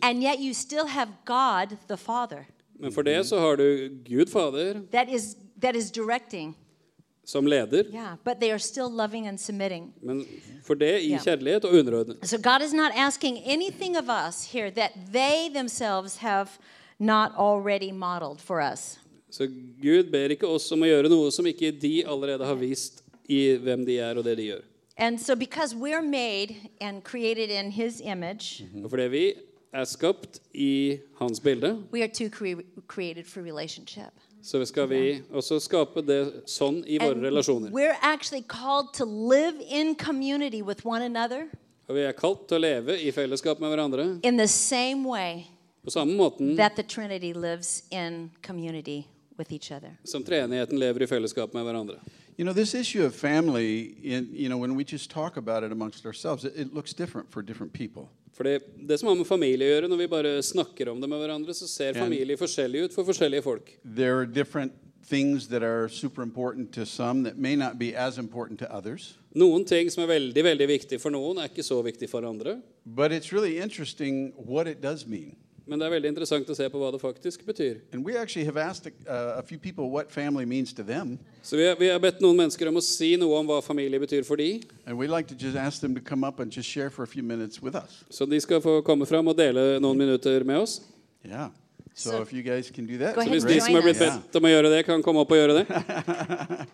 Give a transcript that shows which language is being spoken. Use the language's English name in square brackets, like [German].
[English] and yet you still have God the Father. [Norwegian] Men for det så har du Gud Fader. [English] That is directing. [Norwegian] Som leder. [English] Yeah, but they are still loving and submitting. [Norwegian] Men for det I kjærlighet og underordnet. [English] So God is not asking anything of us here that they themselves have not already modeled for us. [Norwegian] Så Gud ber ikke oss om å gjøre noe som ikke de allerede har vist I hvem de og det de gjør. [English] And so because we're made and created in his image. [Norwegian] Og fordi vi skapt I hans bilde. [English] We are too created for relationship. [Norwegian] Så skal vi også skape det sånn I våre relasjoner. [English] We're actually called to live in community with one another. [Norwegian] Og vi kalt til å leve I fellesskap med hverandre. [English] In the same way. [Norwegian] På samme måten. [English] That the Trinity lives in community with each other. [Norwegian] Som treenigheten lever I fellesskap med hverandre. [English] You know, this issue of family, when we just talk about it amongst ourselves, it looks different for different people. [Norwegian] For det som har med familie å gjøre, når vi bare snakker om det med hverandre, så ser familie forskjellig ut for forskjellige folk. [English] There are different things that are super important to some that may not be as important to others. [Norwegian] Noen ting som veldig, veldig viktig for noen, ikke så viktig for andre. [English] But it's really interesting what it does mean. [Norwegian] Men det veldig interessant å se på hva det faktisk betyr. [English] And we actually have asked a few people what family means to them. [Norwegian] Så vi har bedt noen mennesker om å si noe om hva familie betyr for de. [English] And we'd like to just ask them to come up and just share for a few minutes with us. [Norwegian] Så de skal få komme fram og dele noen minutter med oss. [English] Yeah. So if you guys can do that. [Norwegian] Så hvis de som har blitt bedt om å gjøre det, kan komme opp og gjøre det.